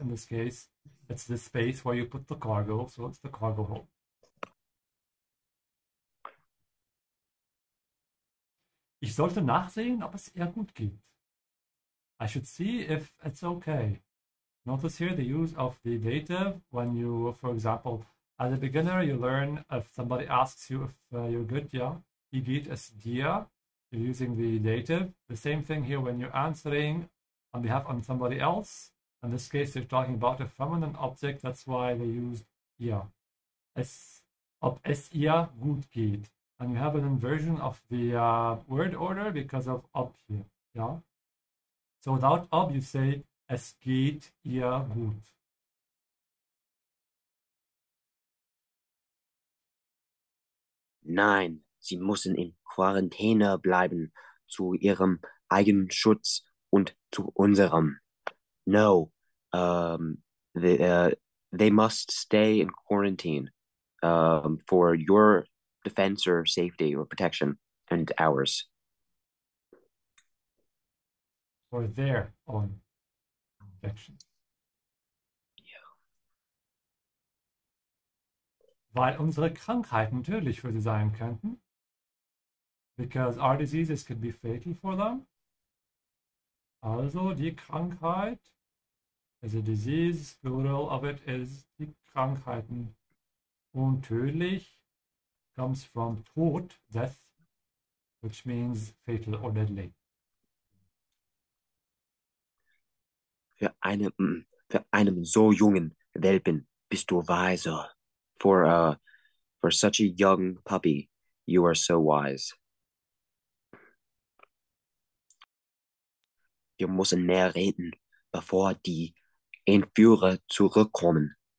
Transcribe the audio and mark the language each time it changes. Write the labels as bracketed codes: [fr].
[en] In this case, it's the space where you put the cargo, so it's the cargo hold. [de] Ich sollte nachsehen, ob es eher gut geht. [en] I should see if it's okay. Notice here the use of the dative when you, for example, as a beginner, you learn if somebody asks you if you're good, yeah? [de] Wie geht es dir? [en] You're using the dative. The same thing here when you're answering on behalf of somebody else. In this case, they're talking about a feminine object. That's why they use ihr. [de] Ob es ihr gut geht. [en] And you have an inversion of the word order because of ob here, yeah? So without ob, you say [de] es geht ihr gut. Nein, sie müssen in Quarantäne bleiben, zu ihrem eigenen Schutz und zu unserem. [en] No, they must stay in quarantine for your defense or safety or protection and ours. For their own protection. [de] Weil unsere Krankheiten tödlich für sie sein könnten. [en] Because our diseases could be fatal for them. [de] Also die Krankheit [en] is a disease, plural of it is die Krankheiten. [de] Und tödlich [en] comes from Tod, death, which means fatal or deadly. [de] Für einen so jungen Welpen bist du weiser. [en] For such a young puppy, you are so wise. [de] Wir müssen mehr reden, bevor die Entführer zurückkommen.